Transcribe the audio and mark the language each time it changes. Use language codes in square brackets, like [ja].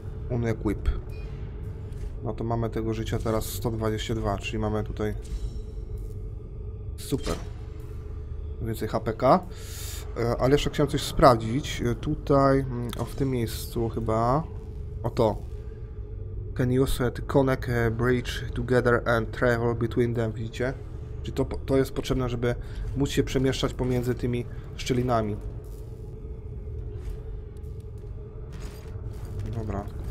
[pl] Unequip. No to mamy tego życia teraz 122, czyli mamy tutaj... Super. Więcej HPK. Ale jeszcze chciałem coś sprawdzić. Tutaj, w tym miejscu chyba... Oto. [en] Can use to connect bridge together and travel between them, [pl] widzicie? Czyli to jest potrzebne, żeby móc się przemieszczać pomiędzy tymi szczelinami. Dobra.